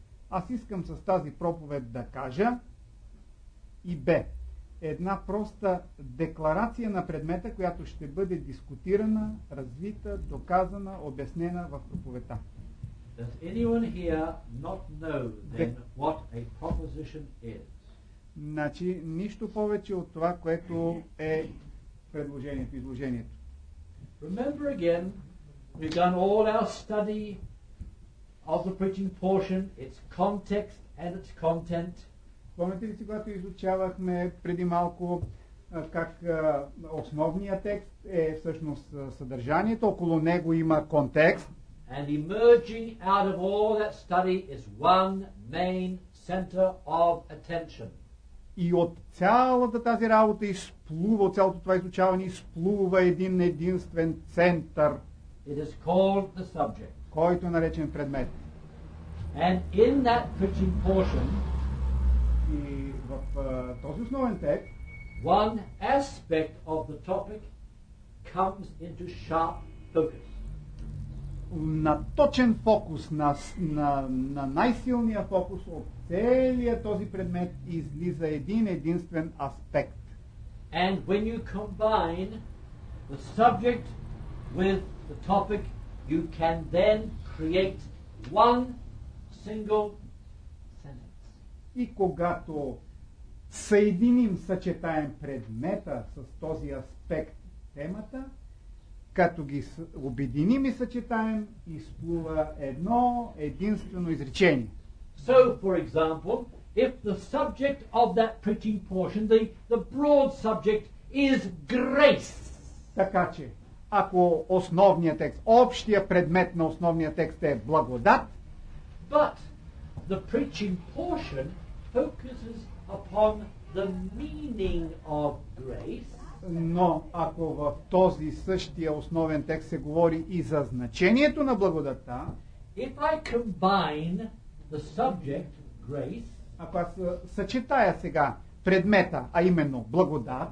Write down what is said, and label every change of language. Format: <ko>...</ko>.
<bg>Аз искам с тази проповед да кажа и бе една проста декларация на предмета, която ще бъде дискутирана, развита, доказана, обяснена в проповедта.</bg> <en>Does anyone here not know then what a proposition is?</en> <bg>Значи, нищо повече от това, което е предложението, изложението.</bg> <en>Remember again, we've done all our study of the preaching portion, its context and its content.</en> <bg>Помните ли си, когато изучавахме преди малко как основният текст е всъщност съдържанието, около него има контекст.</bg> <en>And emerging out of all that study is one main center of attention.</en> <bg>И от цялата тази работа изплува, от цялото това изучаване изплува един единствен център.</bg> <en>It is called the subject.</en> <bg>Който е наречен предмет.</bg> <en>And in that preaching portion,</en> <bg>и в този основен текст,</bg> <en>one aspect of the topic comes into sharp focus.</en> <bg>На точен фокус, на най-силния фокус от целия този предмет излиза един единствен аспект.</bg> <en>And when you combine the subject with the topic, you can then create one single sentence.</en> <bg>И когато съединим, съчетаем предмета с този аспект, темата, като ги обединим и съчетаем, изплува едно единствено изречение.</bg> <en>So, for example, if the subject of that preaching portion, the broad subject, is grace.</en> <bg>Така че, ако основният текст, общия предмет на основния текст е благодат,</bg> <en>but the preaching portion focuses upon the meaning of grace.</en> <bg>Но ако в този същия основен текст се говори и за значението на благодата,</bg> <en>if I combine the subject, grace,</en> <bg>ако аз съчетая сега предмета, а именно благодат,</bg>